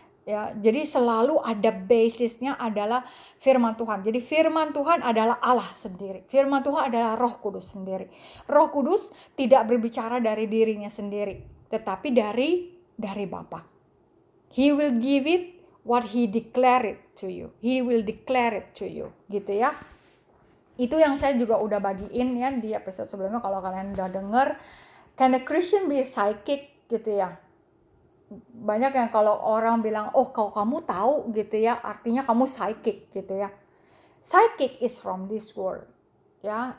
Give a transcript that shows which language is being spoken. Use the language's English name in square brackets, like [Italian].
[Indonesian] Ya, jadi selalu ada basisnya adalah firman Tuhan. Jadi firman Tuhan adalah Allah sendiri. Firman Tuhan adalah Roh Kudus sendiri. Roh Kudus tidak berbicara dari dirinya sendiri, tetapi dari Bapa. [English] He will give it what he declare it to you. He will declare it to you. [Indonesian] Gitu ya. Itu yang saya juga udah bagiin ya di episode sebelumnya. Kalau kalian udah denger. [English] Can a Christian be psychic? [Indonesian] Gitu ya. Banyak yang kalau orang bilang. Oh kalau kamu tahu gitu ya. Artinya kamu psychic gitu ya. [English] Psychic is from this world. [Indonesian] ya.